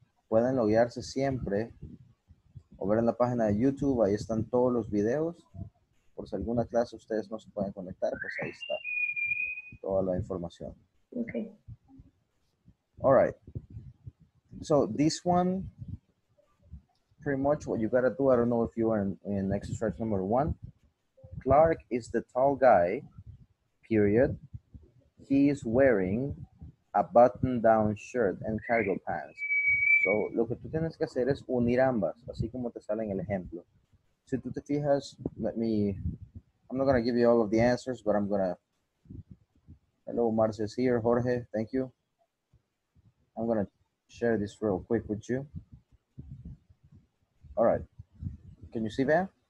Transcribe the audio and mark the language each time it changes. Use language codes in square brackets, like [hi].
[es] Pueden loguearse siempre o ver en la página de YouTube, ahí están todos los videos. Por si alguna clase ustedes no se pueden conectar, pues ahí está toda la información. [en] Okay. All right. So this one, pretty much what you gotta do, I don't know if you are in exercise number one. Clark is the tall guy, period. He is wearing a button-down shirt and cargo pants. [es] So, lo que tú tienes que hacer es unir ambas, así como te sale en el ejemplo. Si tú te fijas, [en] I'm not going to give you all of the answers, but I'm going to, hello, Marcia is here, Jorge, thank you. I'm going to share this real quick with you. All right. Can you see that?